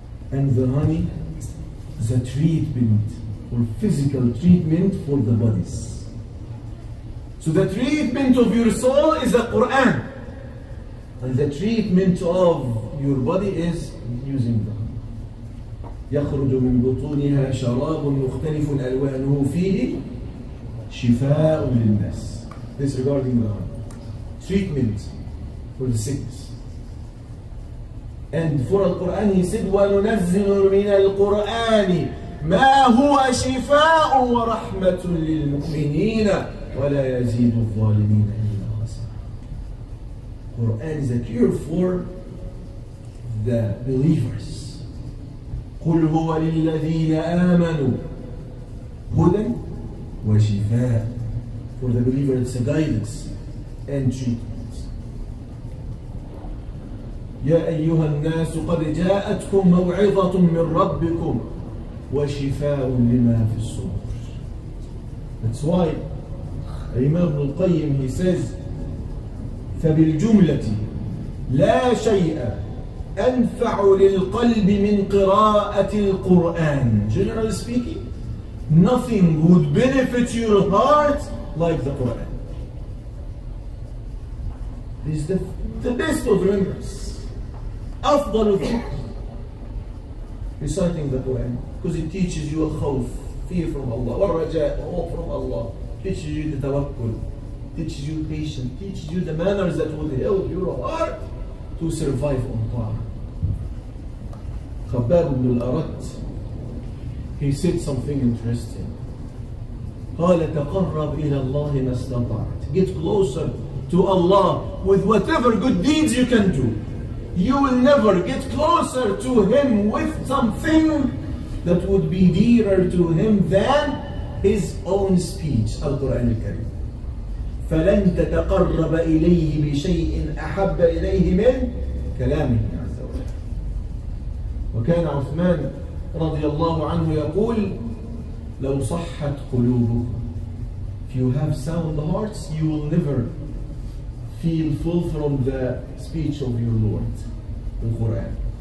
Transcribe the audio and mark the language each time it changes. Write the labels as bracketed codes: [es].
[en] And the honey is a treatment or physical treatment for the bodies. So the treatment of your soul is the Quran. And the treatment of your body is using the honey. [ar] يخرج من بطونها شراب مختلف ألوانه فيه شفاء للناس. [en] This regarding the honey. Treatment for the sickness. And for the Quran, he said, [ar] وننزل من القرآن ما هو شفاء ورحمة للمؤمنين ولا يزيد الظالمين. [en] Quran is a cure for the believers. [ar] قُلْ هُوَ لِلَّذِينَ آمَنُوا هدى وشفاء. [en] For the believer, it's a guidance and treatment. [ar] يا أيها الناس قد جاءتكم موعظة من ربكم وشفاء لما في الصدور. [en] That's why [ar] الإمام ابن القيم [en] he says, [ar] فبالجملة لا شيء أنفع للقلب من قراءة القرآن. [en] Generally speaking, nothing would benefit your heart like the Quran. It's the best of remembrance. [ar] أفضل الذكر. [en] Reciting the Quran, because it teaches you a khawf, fear from Allah, والرجاء, hope from Allah. Teaches you the tawakkul, teaches you patience, teaches you the manners that would help your heart to survive on ta'ah. خباب بن الأرت, he said something interesting. [ar] قال تقرب إلى الله ما استطعت. [en] Get closer to Allah with whatever good deeds you can do. You will never get closer to Him with something that would be dearer to Him than His own speech, Al-Quran al-Karim. [ar] فلن تتقرب إليه بشيء أحب إليه من كلامه. وكان عثمان رضي الله عنه يقول لو صحت قلوبكم. [en] If you have sound hearts, you will never feel full from the speech of your Lord, the Quran.